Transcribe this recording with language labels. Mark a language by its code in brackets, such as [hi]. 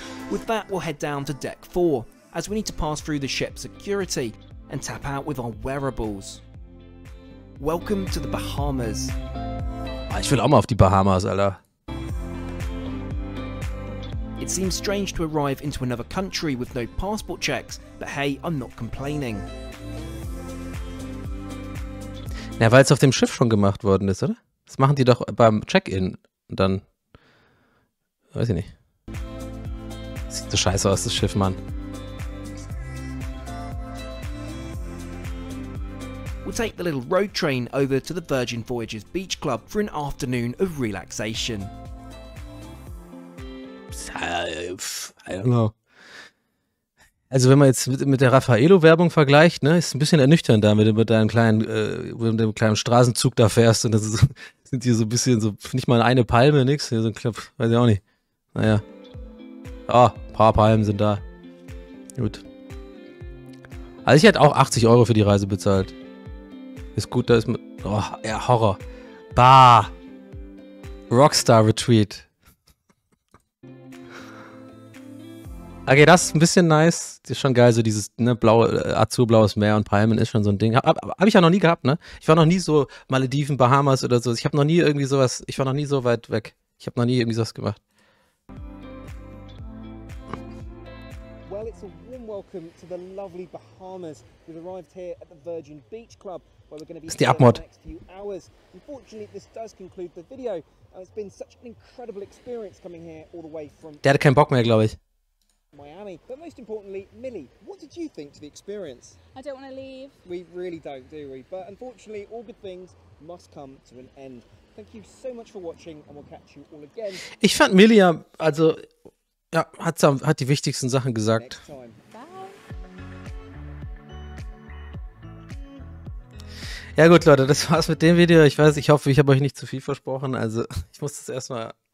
[en] With that, we'll head down to deck 4, as we need to pass through the ship's security and tap out with our wearables. Welcome to the Bahamas. [de] Ich will auch mal auf die Bahamas, Alter. [en] It seems strange to arrive into another country with no passport checks, but hey, I'm not complaining. [de] Na, weil es auf dem Schiff schon gemacht worden ist, oder? Das machen die doch beim Check-in. Dann, weiß ich nicht. Sieht so scheiße aus, das Schiff, Mann. [en] We'll take the little road train over to the Virgin Voyages Beach Club for an afternoon of relaxation. I don't know. [de] Also wenn man jetzt mit der Raffaello-Werbung vergleicht, ne, ist ein bisschen ernüchternd da, wenn du mit deinem kleinen, Straßenzug da fährst und das ist, sind hier so ein bisschen so, nicht mal eine Palme, nix, hier so ein Klopf, weiß ich auch nicht. Naja. Ah, ein paar Palmen sind da. Gut. Also ich hätte auch 80 Euro für die Reise bezahlt. Ist gut, da ist man, oh, ja, Horror. Bah. Rockstar Retreat. Okay, das ist ein bisschen nice. Das ist schon geil, so dieses, ne, blaue, azurblaues Meer und Palmen ist schon so ein Ding. Hab ich ja noch nie gehabt, ne? Ich war noch nie so Malediven, Bahamas oder so. Ich habe noch nie irgendwie sowas, ich war noch nie so weit weg. Ich habe noch nie irgendwie sowas gemacht. [en] Well, it's a warm welcome to the lovely Bahamas. We've arrived here at the Virgin Beach Club, where we're going to be staying for the next few hours. Unfortunately, this does conclude the video. It's been such an incredible experience coming here all the way from... [de] Der hatte keinen Bock mehr, glaube ich. [en] Miami, but most importantly, Millie, what did you think to the experience? I don't want to leave. We really don't, do we? But unfortunately, all good things must come to an end. Thank you so much for watching and we'll catch you all again. [de] Ich fand Millie ja, also, ja, hat die wichtigsten Sachen gesagt. [en] Bye. [de] Ja gut, Leute, das war's mit dem Video. Ich weiß, ich hoffe, ich habe euch nicht zu viel versprochen. Also, ich muss das erstmal...